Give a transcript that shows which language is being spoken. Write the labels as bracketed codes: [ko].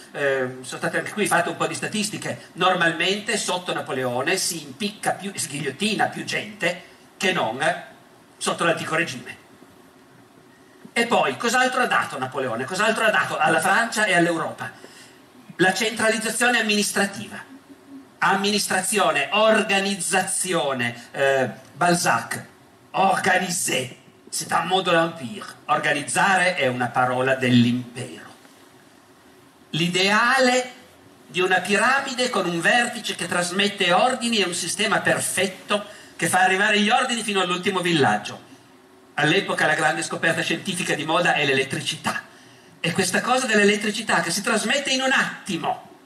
[it] Sono state anche qui fatte un po' di statistiche. Normalmente sotto Napoleone si impicca più, sghigliottina più gente che non sotto l'antico regime. E poi, cos'altro ha dato Napoleone? Cos'altro ha dato alla Francia e all'Europa? La centralizzazione amministrativa. Amministrazione, organizzazione. [fr] Balzac, organiser, c'est un mot de l'empire. [it] Organizzare è una parola dell'impero. L'ideale di una piramide con un vertice che trasmette ordini e un sistema perfetto che fa arrivare gli ordini fino all'ultimo villaggio. All'epoca la grande scoperta scientifica di moda è l'elettricità. E questa cosa dell'elettricità che si trasmette in un attimo,